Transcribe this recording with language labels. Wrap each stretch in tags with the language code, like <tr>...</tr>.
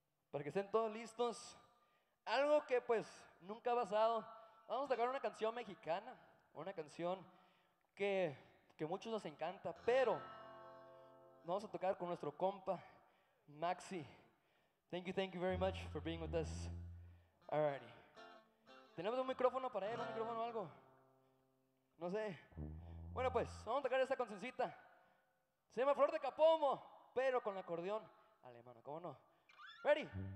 <es>Para que estén todos listos. Algo que pues nunca ha pasado. Vamos a tocar una canción mexicana. Una canción que muchos nos encanta, pero vamos a tocar con nuestro compa Maxi.</es> <en>Thank you very much for being with us. Alrighty.</en> <es>¿Tenemos un micrófono para él, un micrófono o algo? No sé. Bueno pues, vamos a tocar esta cancioncita. Se llama Flor de Capomo, pero con acordeón alemán, ¿cómo no?</es> <en>Ready.</en>